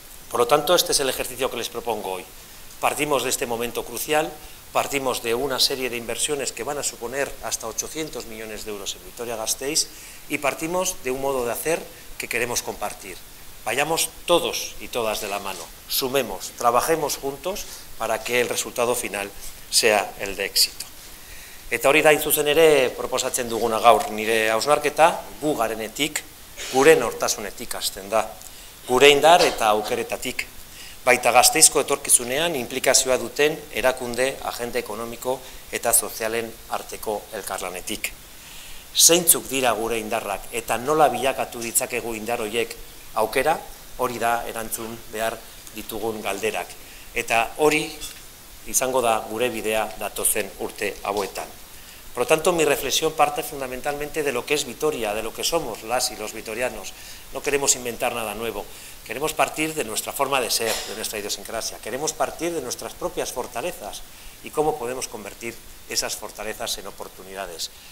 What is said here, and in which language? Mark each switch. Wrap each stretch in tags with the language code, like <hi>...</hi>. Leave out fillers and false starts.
<es>Por lo tanto, este es el ejercicio que les propongo hoy. Partimos de este momento crucial, partimos de una serie de inversiones que van a suponer hasta 800 millones de euros en Vitoria-Gasteiz y partimos de un modo de hacer que queremos compartir. Vayamos todos y todas de la mano, sumemos, trabajemos juntos para que el resultado final sea el de éxito.</es> <eu>Eta hori da, inzuzen ere, proposatzen duguna gaur, nire hausnarketa, gugarenetik, gure nortasunetik hasten da, gure indar eta aukeretatik, baita Gasteizko etorkizunean implikazioa duten erakunde, agente ekonomiko eta sozialen arteko elkarlanetik. Zeintzuk dira gure indarrak eta nola bilakatu ditzakegu indar horiek aukera, hori da erantzun behar ditugun galderak. Eta hori izango da gure bidea datozen urte hauetan.</eu> <es>Por lo tanto, mi reflexión parte fundamentalmente de lo que es Vitoria, de lo que somos las y los vitorianos. No queremos inventar nada nuevo. Queremos partir de nuestra forma de ser, de nuestra idiosincrasia. Queremos partir de nuestras propias fortalezas y cómo podemos convertir esas fortalezas en oportunidades.</es>